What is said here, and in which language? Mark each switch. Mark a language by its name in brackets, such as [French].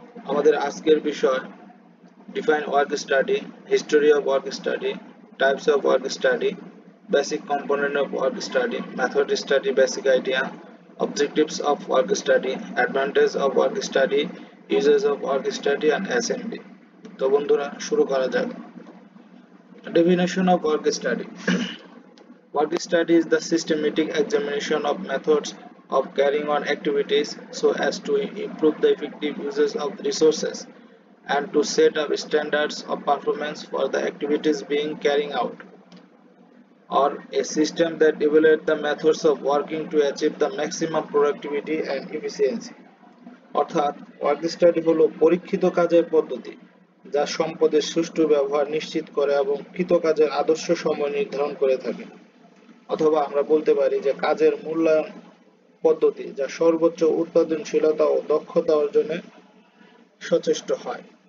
[Bangla] আমাদের আজকের বিষয় [English] Define work study, history of work study, types of work study, basic component of work study, method study, basic idea, objectives of work study, advantage of work study, uses of work study and assembly. [Bangla] তো বন্ধুরা, শুরু করা যাক। [English] Definition of work study. Work study is the systematic examination of methods of carrying on activities so as to improve the effective uses of resources and to set up standards of performance for the activities being carried out, or a system that evaluates the methods of working to achieve the maximum productivity and efficiency. [Bangla] অর্থাৎ work study হলো পরীক্ষিত কাজের পদ্ধতি যা সম্পদের সুষ্ঠু ব্যবহার নিশ্চিত করে এবং কৃতকাজের আদর্শ সময় নির্ধারণ করে থাকে। অথবা আমরা বলতে পারি যে কাজের মূল্যায়ন পদ্ধতি যা সর্বোচ্চ উৎপাদনশীলতা ও দক্ষতা অর্জনে সচেষ্ট হয়।